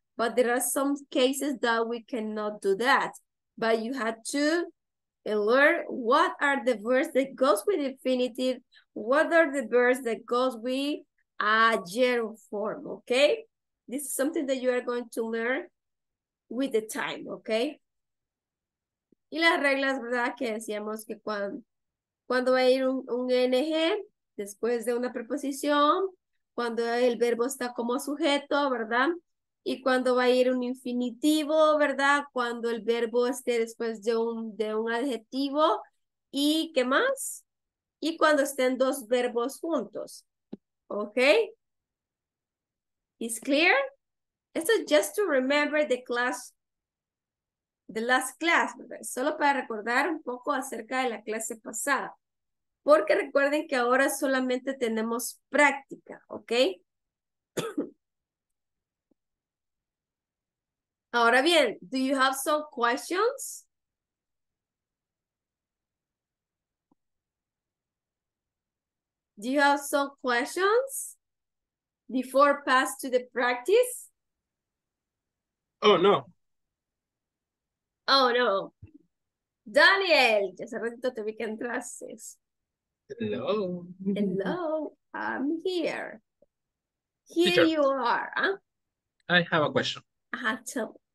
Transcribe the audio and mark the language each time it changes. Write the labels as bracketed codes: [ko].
[en] But there are some cases that we cannot do that. But you have to learn what are the verbs that goes with infinitive, what are the verbs that goes with a gerund form, okay? This is something that you are going to learn with the time, okay? [es] Y las reglas, ¿verdad? Que decíamos que cuando va a ir un ng, después de una preposición, cuando el verbo está como sujeto, ¿verdad? Y cuando va a ir un infinitivo, ¿verdad? Cuando el verbo esté después de un adjetivo. ¿Y qué más? Y cuando estén dos verbos juntos. ¿Ok? [en] ¿Is clear? [es] Esto es [en] just to remember the class, the last class, ¿verdad? [es] Solo para recordar un poco acerca de la clase pasada. Porque recuerden que ahora solamente tenemos práctica, ¿ok? Ahora bien, [en] do you have some questions? Do you have some questions before pass to the practice? Oh, no. Oh, no. [es] Daniel, ya hace ratito te vi que entraste. [en] Hello. Hello, I'm here. Here teacher, you are. Huh? I have a question. I have to.